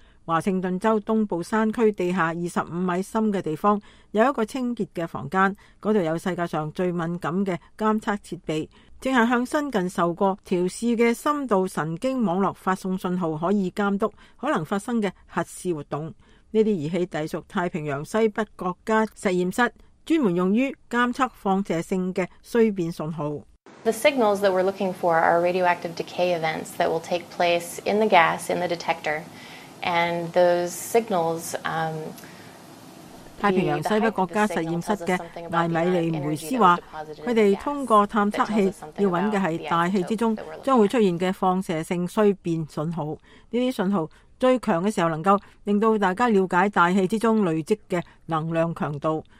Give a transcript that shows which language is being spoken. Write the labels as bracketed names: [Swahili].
[Chinese] 华盛顿州东部山区地下25米深的地方，有一个清洁的房间，那里有世界上最敏感的监测设备，正是向新近受过调试的深度神经网络发送信号，可以监督可能发生的核试活动。这些仪器隶属太平洋西北国家实验室，专门用于监测放射性的衰变信号。 [English] The signals that we're looking for are radioactive decay events that will take place in the gas in the detector. And those signals, [Chinese] 太平洋西北国家实验室的艾米利梅斯说，他们通过探测器要找的是大气之中将会出现的放射性衰变信号。这些信号最强的时候能够令到大家了解大气之中累积的能量强度。